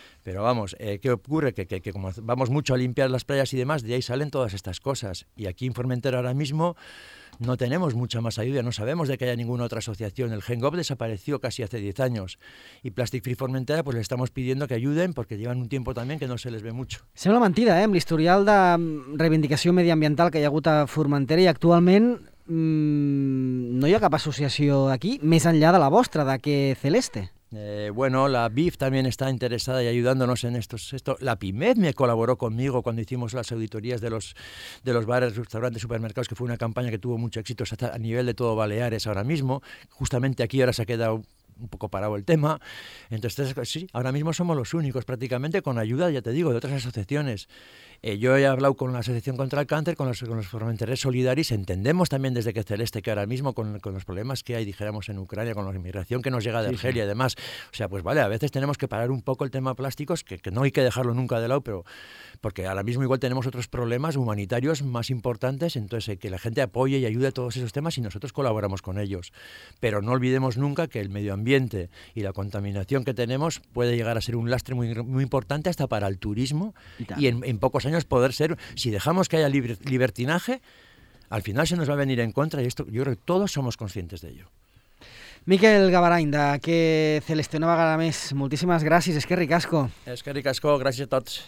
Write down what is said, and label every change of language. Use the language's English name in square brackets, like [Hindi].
[Spanish] Pero vamos, ¿qué ocurre? Que como vamos mucho a limpiar las playas y demás, de ahí salen todas estas cosas. Y aquí en Formentera ahora mismo no tenemos mucha más ayuda, no sabemos de que haya ninguna otra asociación. El GenGob desapareció casi hace 10 años y Plastic Free Formentera, pues le estamos pidiendo que ayuden porque llevan un tiempo también que no se les ve mucho. [Catalan] Sembla mentida, amb l'historial de reivindicació mediambiental que hi ha hagut a Formentera i actualment no hi ha cap associació aquí més enllà de la vostra, de que Celeste. [Spanish] Bueno, la BIF también está interesada y ayudándonos en esto. La PIMED me colaboró conmigo cuando hicimos las auditorías de los bares, restaurantes, supermercados, que fue una campaña que tuvo mucho éxito hasta a nivel de todo Baleares ahora mismo. Justamente aquí ahora se ha quedado un poco parado el tema. Entonces, sí, ahora mismo somos los únicos prácticamente con ayuda, ya te digo, de otras asociaciones. Yo he hablado con la Asociación contra el Cáncer, con los Formenteres Solidaris, entendemos también desde que Celeste, que ahora mismo con los problemas que hay, dijéramos, en Ucrania, con la inmigración que nos llega de Argelia, sí, sí, y demás, o sea, pues vale, a veces tenemos que parar un poco el tema plásticos, que no hay que dejarlo nunca de lado, pero porque ahora mismo igual tenemos otros problemas humanitarios más importantes, entonces que la gente apoye y ayude a todos esos temas y nosotros colaboramos con ellos. Pero no olvidemos nunca que el medio ambiente y la contaminación que tenemos puede llegar a ser un lastre muy, muy importante hasta para el turismo y en pocos años poder ser, si dejamos que haya libertinaje, al final se nos va a venir en contra y esto, yo creo que todos somos conscientes de ello. [Catalan] Miquel Gavarany, de que Celeste, una vegada més, moltíssimes gràcies, és que ricasco. És que ricasco, gràcies a tots.